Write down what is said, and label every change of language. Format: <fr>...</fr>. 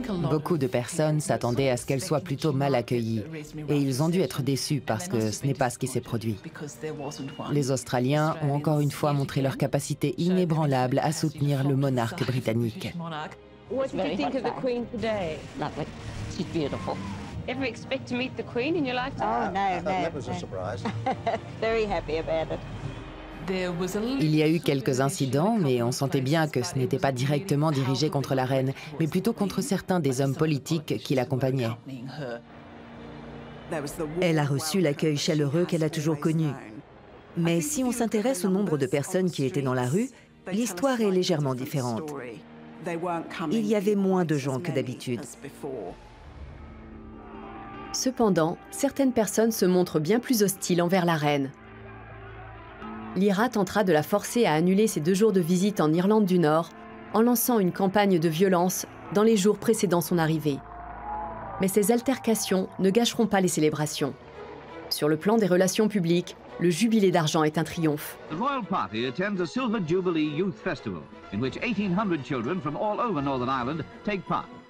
<fr>Beaucoup de personnes s'attendaient à ce qu'elle soit plutôt mal accueillie. Et ils ont dû être déçus parce que ce n'est pas ce qui s'est produit. Les Australiens ont encore une fois montré leur capacité inébranlable à soutenir le monarque britannique.</fr> <en>Ever expect to meet the Queen in your lifetime? Oh, no, no. That was a surprise. Very happy about it.</en> <fr>Il y a eu quelques incidents, mais on sentait bien que ce n'était pas directement dirigé contre la reine, mais plutôt contre certains des hommes politiques qui l'accompagnaient. Elle a reçu l'accueil chaleureux qu'elle a toujours connu. Mais si on s'intéresse au nombre de personnes qui étaient dans la rue, l'histoire est légèrement différente. Il y avait moins de gens que d'habitude. Cependant, certaines personnes se montrent bien plus hostiles envers la reine. L'IRA tentera de la forcer à annuler ses 2 jours de visite en Irlande du Nord en lançant une campagne de violence dans les jours précédant son arrivée. Mais ces altercations ne gâcheront pas les célébrations. Sur le plan des relations publiques, le jubilé d'argent est un triomphe.</fr> <en>The Royal Party attends a Silver Jubilee Youth Festival in which 1800 children from all over Northern Ireland take part.</en>